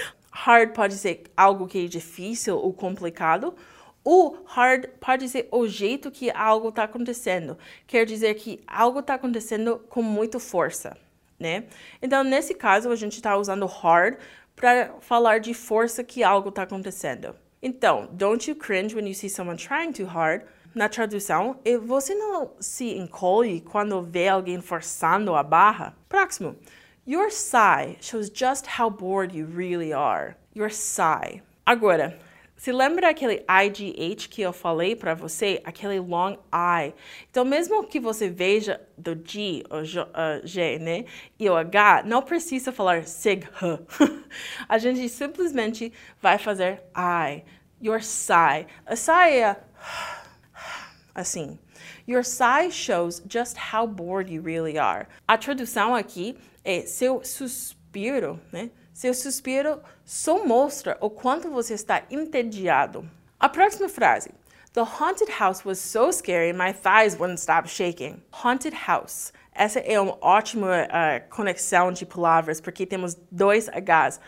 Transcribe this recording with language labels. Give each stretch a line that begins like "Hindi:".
Portuguese: hard pode ser algo que é difícil ou complicado. Ou hard pode ser o jeito que algo está acontecendo. Quer dizer que algo está acontecendo com muita força, né? Então, nesse caso, a gente está usando hard para falar de força que algo está acontecendo. Então,
English: don't you cringe when you see someone trying too hard?
Portuguese: Na tradução, e você não se encolhe quando vê alguém forçando a barra? Próximo.
English: Your sigh shows just how bored you really are. Your sigh.
Portuguese: Agora, se lembra aquele IGH que eu falei pra você? Aquele long I. Então, mesmo que você veja do G, o G, né? E o H, não precisa falar sig, h. A gente simplesmente vai fazer I.
English: Your sigh. A sigh
Portuguese: é... assim.
English: Your sigh shows just how bored you really are.
Portuguese: A tradução aqui é seu suspiro, né? Seu suspiro só mostra o quanto você está entediado. A próxima frase.
English: The haunted house was so scary, my thighs wouldn't stop shaking. Haunted house.
Portuguese: Essa é uma ótima conexão de palavras, porque temos dois H's.